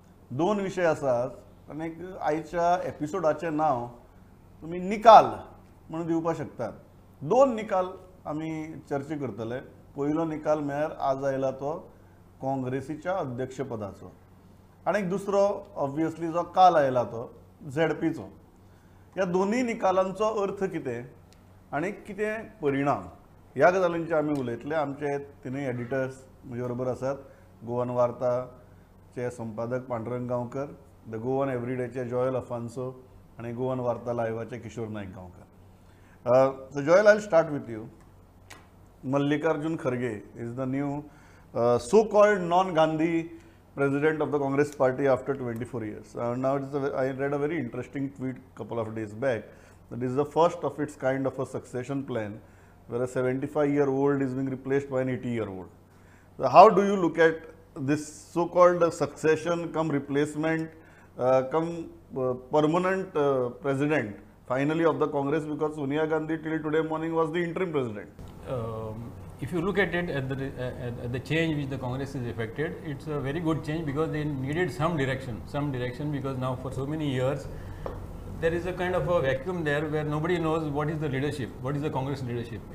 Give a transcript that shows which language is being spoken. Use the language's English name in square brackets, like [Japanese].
[Konkani] दोन विशय आसात आनी आयच्या एपिसोडाचें नांव तुमी निकाल म्हूण दिवपाक शकतात. दोन निकाल आमी चर्चा करतले. पयलो निकाल म्हळ्यार आज आयला तो काँग्रेसीच्या अध्यक्षपदाचो, आनी दुसरो ऑब्वियसली जो काल आयला तो ZP चो. ह्या दोनूय निकालांचो अर्थ कितें आनी कितें परिणाम, ह्या गजालींचे आमी उलयतले. आमचे तिनूय एडिटर्स म्हजे बरोबर आसात. गोवन वार्ताचे संपादक पांडुरंग गांवकर, द गोवन एवरीडेचे जॉयल अफांसो आनी गोवन वार्ता लायव्हाचे किशोर नायक गांवकर. [English] So Joel, I start with you. Mallikarjun Kharge is the new so called non Gandhi president of the Congress party after 24 years. Now it is I read a very interesting tweet couple of days back that is the first of its kind of a succession plan where a 75-year-old is being replaced by an 80-year-old. So how do you look at this so-called succession cum replacement cum permanent president finally of the Congress, because Sonia Gandhi till today morning was the interim president? If you look at it, at the change which the Congress has effected, it's a very good change because they needed some direction, because now for so many years there is a kind of a vacuum there where nobody knows what is the leadership, what is the Congress leadership.